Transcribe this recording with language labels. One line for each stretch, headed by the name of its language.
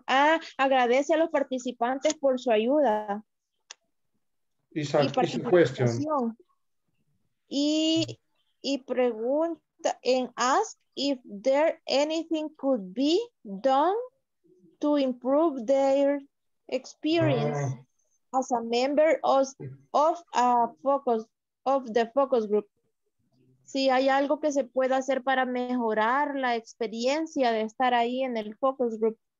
Spanish: Ah, agradece a los participantes por su ayuda.
English: It's a question.
Spanish: Y pregunta
English: and ask if there anything could be done to improve their experience as a member of the focus group.
Spanish: Si hay algo que se pueda hacer para mejorar la experiencia de estar ahí en el focus group.